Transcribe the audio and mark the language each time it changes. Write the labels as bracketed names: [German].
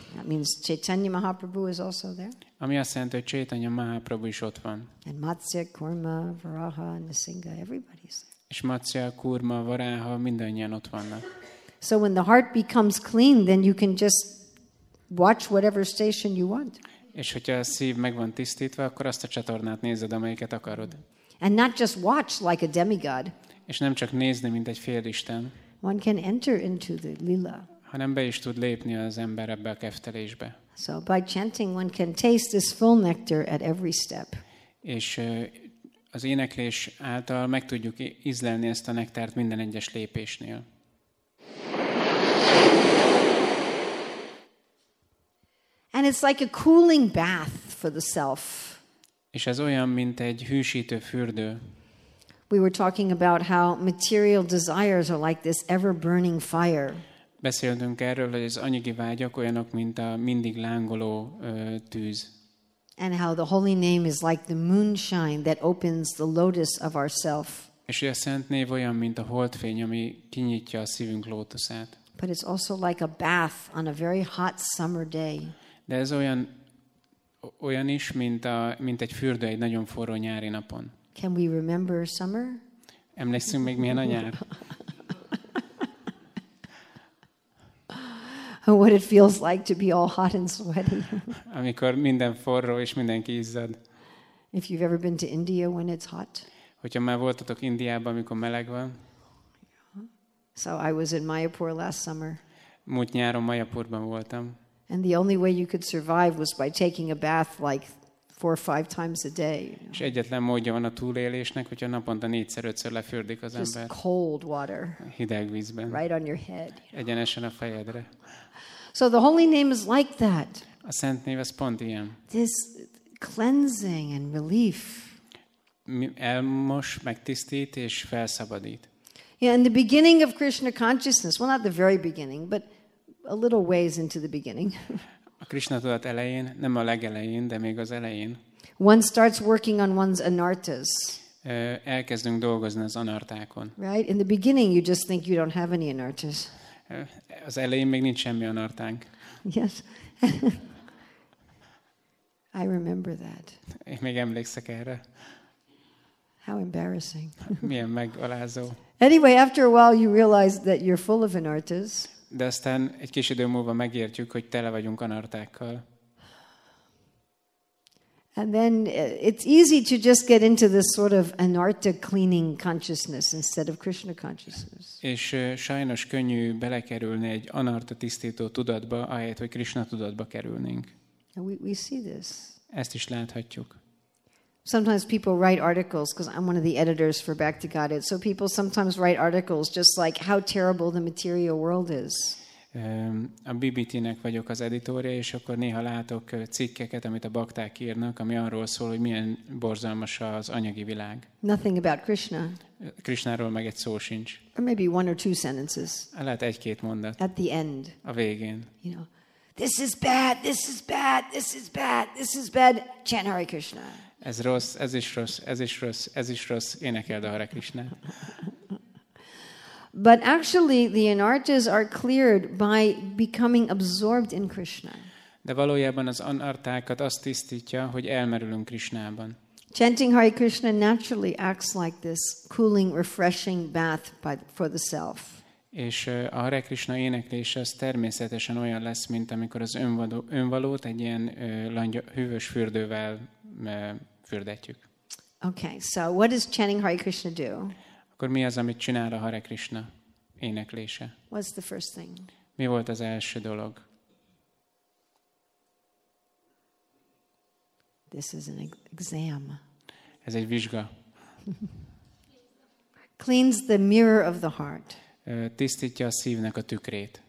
[English] That means Chaitanya Mahaprabhu is also there. [Hungarian] Ami azt jelenti, hogy Chaitanya Mahaprabhu is ott van. [English] And Matsya, Kurma, Varaha, Nisinga, everybody's there. [Hungarian] És Matsya, Kurma, Varaha, mindannyian ott vannak. [English] So when the heart becomes clean, then you can just watch whatever station you want. [Hungarian] És hogyha a szív megvan tisztítva, akkor azt a csatornát nézed, amelyiket akarod. [English] And not just watch like a demigod. [Hungarian] És nem csak nézni, mint egy félisten. [English] One can enter into the lila. [Hungarian] Hanem be is tud lépni az ember ebbe a keftelésbe. [English] So by chanting, one can taste this full nectar at every step. [Hungarian] És az éneklés által meg tudjuk ízlelni ezt a nektárt minden egyes lépésnél. [English] And it's like a cooling bath for the self. [Hungarian] És ez olyan, mint egy hűsítő fürdő. [English] We were talking about how material desires are like this ever-burning fire. [Hungarian] Beszéltünk erről, hogy az anyagi vágyak olyanok, mint a mindig lángoló tűz. [English] And how the holy name is like the moonshine that opens the lotus of ourself. [Hungarian] És a szent név olyan, mint a holdfény, ami kinyitja a szívünk lótuszát. [English] But it's also like a bath on a very hot summer day. [Hungarian] De ez olyan is, mint egy fürdő egy nagyon forró nyári napon. [English] Can we remember summer? [Hungarian] Emlékszünk még, milyen a nyár? [English] What it feels like to be all hot and sweaty. [Hungarian] Amikor minden forró és mindenki izzad. [English] If you've ever been to India when it's hot. [Hungarian] Hogyha már voltatok Indiában, amikor meleg van. [English] So I was in Mayapur last summer. [Hungarian] Múlt nyáron Mayapurban voltam. [English] And the only way you could survive was by taking a bath like 4 or 5 times a day. [Hungarian] És egyetlen módja van a túlélésnek, hogyha naponta 4-5-ször lefürdik az ember. [English] Just cold water. [Hungarian] Hideg vízben. [English] Right on your head. You [Hungarian] know? Egyenesen a fejedre. [English] So the holy name is like that. [Hungarian] A szent név az pont ilyen. [English] This cleansing and relief. [Hungarian] Elmos, megtisztít és felszabadít. [English] Yeah, in the beginning of Krishna consciousness, well, not the very beginning, but a little ways into the beginning. [Hungarian] Krishna tudat elején, nem a legelején, de még az elején. [English] One starts working on one's anartas. [Hungarian] Elkezdünk dolgozni az anartákon. [English] Right? In the beginning you just think you don't have any anartas. [Hungarian] Az elején még nincs semmi anartánk. [English] Yes. I remember that. [Hungarian] Én még emlékszek erre. [English] How embarrassing. [Hungarian] Milyen megalázó. [English] Anyway, after a while you realize that you're full of anartas. [Hungarian] De aztán egy kis idő múlva megértjük, hogy tele vagyunk anartákkal. [English] And then it's easy to just get into this sort of anarta cleaning consciousness instead of Krishna consciousness. [Hungarian] És sajnos könnyű belekerülni egy anarta tisztító tudatba, ahelyett, hogy Krishna tudatba kerülnénk. [English] We see this. [Hungarian] Ezt is láthatjuk. [English] Sometimes people write articles because I'm one of the editors for Bhakti Gaudit. So people sometimes write articles just like how terrible the material world is. [Hungarian] A BBT-nek vagyok az editorja, és akkor néha látok cikkeket, amit a bakták írnak, ami arról szól, hogy milyen borzalmas az anyagi világ. [English] Nothing about Krishna. [Hungarian] Krishnáról meg egy szó sincs. [English] Or maybe one or two sentences. [Hungarian] Lehet egy-két mondat. [English] At the end. [Hungarian] A végén. [English] You know, this is bad, this is bad, this is bad, this is bad, chant Hare Krishna. [Hungarian] Ez rossz, ez is rossz, ez is rossz, ez is rossz, énekeld a Hare Krishna. [English] But actually the anartas are cleared by becoming absorbed in Krishna. [Hungarian] De valójában az anartákat azt tisztítja, hogy elmerülünk Krishnában. [English] Chanting Hare Krishna naturally acts like this cooling, refreshing bath for the self. [Hungarian] És a Hare Krishna éneklése az természetesen olyan lesz, mint amikor az önvalót egy ilyen hűvös fürdővel fürdetjük. [English] Okay, so what does chanting Hare Krishna do? [Hungarian] Akkor mi az, amit csinál a Hare Krishna éneklése? [English] What's the first thing? [Hungarian] Mi volt az első dolog? [English] This is an exam. [Hungarian] Ez egy vizsga. [English] Cleans the mirror of the heart. [Hungarian] Tisztítja a szívnek a tükrét.